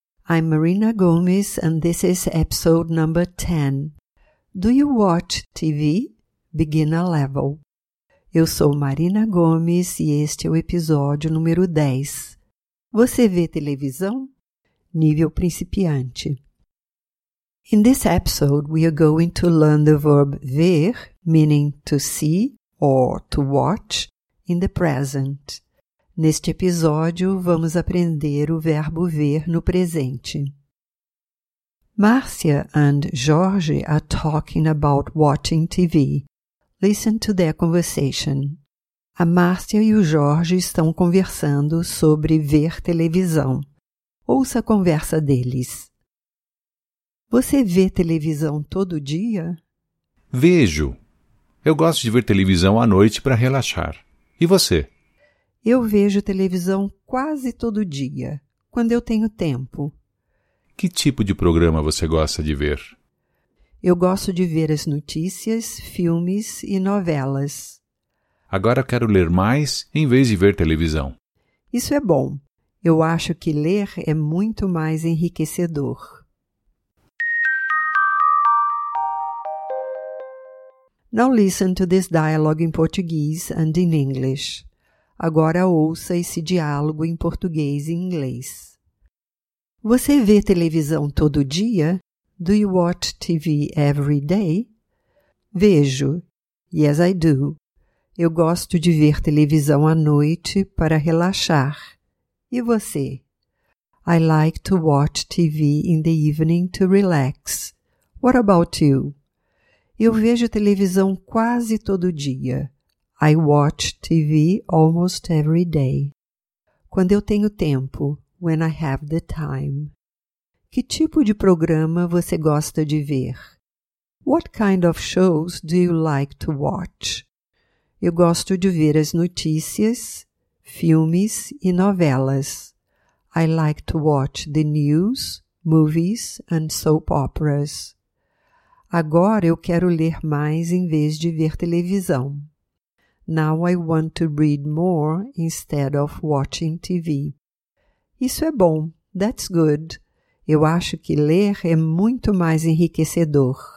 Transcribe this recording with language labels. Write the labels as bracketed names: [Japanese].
[English] I'm Marina Gomes and this is episode number 10. Do you watch TV? Beginner level. [Portuguese] Eu sou Marina Gomes e este é o episódio número 10. Você vê televisão? Nível principiante. [English] In this episode, we are going to learn the verb ver, meaning to see or to watch, in the present. [Portuguese] Neste episódio, vamos aprender o verbo ver no presente. [English] Márcia and Jorge are talking about watching TV. Listen to their conversation. [Portuguese] A Márcia e o Jorge estão conversando sobre ver televisão. Ouça a conversa deles. Você vê televisão todo dia? Vejo. Eu gosto de ver televisão à noite para relaxar. E você? Eu vejo televisão quase todo dia, quando eu tenho tempo. Que tipo de programa você gosta de ver? Eu gosto de ver as notícias, filmes e novelas. Agora quero ler mais em vez de ver televisão. Isso é bom. Eu acho que ler é muito mais enriquecedor. [English] Now listen to this dialogue in Portuguese and in English. [Portuguese] Agora ouça esse diálogo em português e inglês. Você vê televisão todo dia? [English] Do you watch TV every day? [Portuguese] Vejo. [English] Yes, I do. [Portuguese] Eu gosto de ver televisão à noite para relaxar. E você? [English] I like to watch TV in the evening to relax. What about you? [Portuguese] Eu vejo televisão quase todo dia. [English] I watch TV almost every day. [Portuguese] Quando eu tenho tempo, [English] when I have the time. [Portuguese] Que tipo de programa você gosta de ver? [English] What kind of shows do you like to watch? [Portuguese] Eu gosto de ver as notícias, filmes e novelas. [English] I like to watch the news, movies and soap operas. [Portuguese] Agora eu quero ler mais em vez de ver televisão. [English] Now I want to read more instead of watching TV. [Portuguese] Isso é bom. [English] That's good. [Portuguese] Eu acho que ler é muito mais enriquecedor.